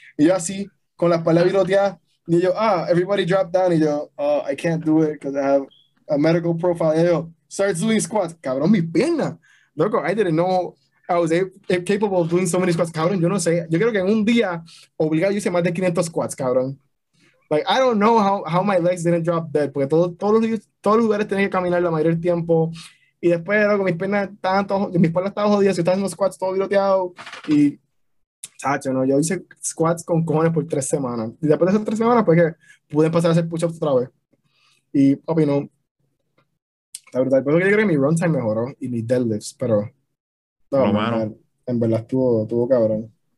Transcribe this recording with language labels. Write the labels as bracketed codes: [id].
[es] Y yo así, con la espalda viroteada, y yo, [en] ah, everybody drop down. Y yo, oh, I can't do it because I have a medical profile. Y yo, start doing squats. [es] Cabrón, mis piernas. [en] Loco, I didn't know I was capable of doing so many squats. [es] Cabrón, yo no sé. Yo creo que en un día, obligado, yo hice más de 500 squats, cabrón. [en] Like, I don't know how my legs didn't drop dead. [es] Porque todos los lugares tenía que caminar la mayoría del tiempo. Y después, loco, mis piernas estaban todas, mis piernas estaban jodidas. Yo estaba haciendo squats todo viroteado. Y, chacho, no, yo hice squats con cojones por 3 semanas. Y después de esas 3 semanas, pues, que pude empezar a hacer push-ups otra vez. Y, opino, la verdad, pero yo creo que mi runtime mejoró y mis deadlifts, pero en verdad estuvo cabrón.